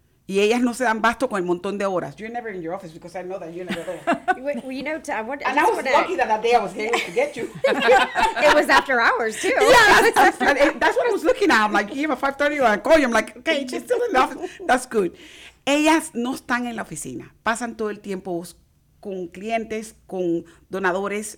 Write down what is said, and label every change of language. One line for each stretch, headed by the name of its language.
Spanish: Y ellas no se dan basto con el montón de horas.
English: You're never in your office, because I know that you're never there. Well, you know, I was lucky that day I was able to get you. It was after hours, too. Yeah, that's what I was looking at. I'm like, you have a 5:30, and I call you. I'm like, okay, she's still in the office.
Spanish: That's good. Ellas no están en la oficina. Pasan todo el tiempo con clientes, con donadores.